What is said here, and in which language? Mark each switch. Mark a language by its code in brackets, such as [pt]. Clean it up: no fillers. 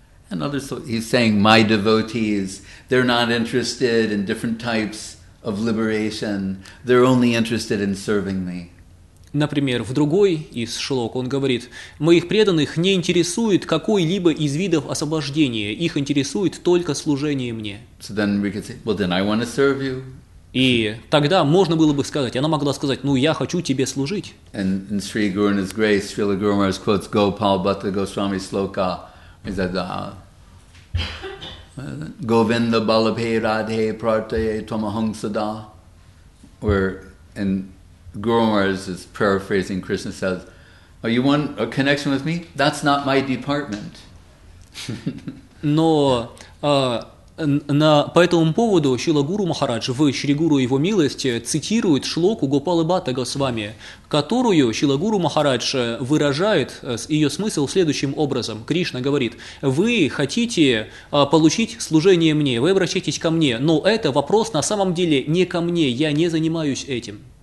[en] And others, he's saying, my devotees, they're not interested in different types of liberation. They're only interested in serving me. [ru] Например, в другой из шлок он говорит, «Моих преданных не интересует какой-либо из видов освобождения, их интересует только служение мне». [en] So then we could say, well, then I want to serve you. [ru] И тогда можно было бы сказать, она могла сказать, «Ну, я хочу тебе служить». [en] And in Sri Guru and His Grace, Srila Guru Maharaj quotes Gopal Bhatta Goswami Sloka. He said, [sa] «Govinda balabhe radhe prataye tomahang sada». [en] Guru Maharaj is paraphrasing Krishna says, "Oh, you want a connection with me? That's not my department." [ru] Но по этому поводу Шрила Гуру Махарадж в Шри Гуру Его Милости цитирует шлоку Гопалы Бхатта Госвами, которую Шрила Гуру Махарадж выражает ее смысл следующим образом. Кришна говорит, вы хотите получить служение мне, вы обращаетесь ко мне, но это вопрос на самом деле не ко мне, я не занимаюсь этим.